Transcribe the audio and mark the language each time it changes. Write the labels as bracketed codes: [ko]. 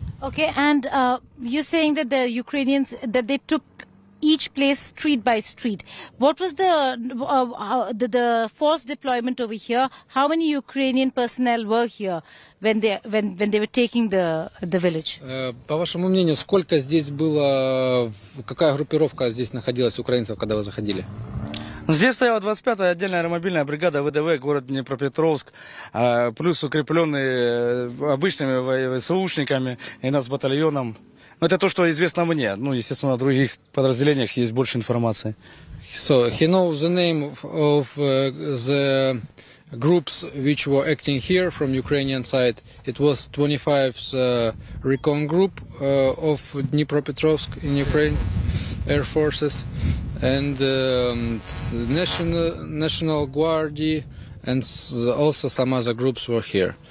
[en] Okay, and you're saying that the Ukrainians that they took each place street by street. What was the force deployment over here? How many Ukrainian personnel were here when they were taking the village? [ru] По вашему мнению, сколько здесь было, какая группировка здесь находилась украинцев, когда вы заходили? Здесь стояла 25-я отдельная аэромобильная бригада ВДВ, город Днепропетровск, плюс укрепленный обычными ВСУшниками и нас батальоном. Это то, что известно мне. Ну, естественно, на других подразделениях есть больше информации. [en] So he knows the name of the groups which were acting here from Ukrainian side. It was 25th recon group of Dnipropetrovsk in Ukraine Air Forces and National Guard and also some other groups were here.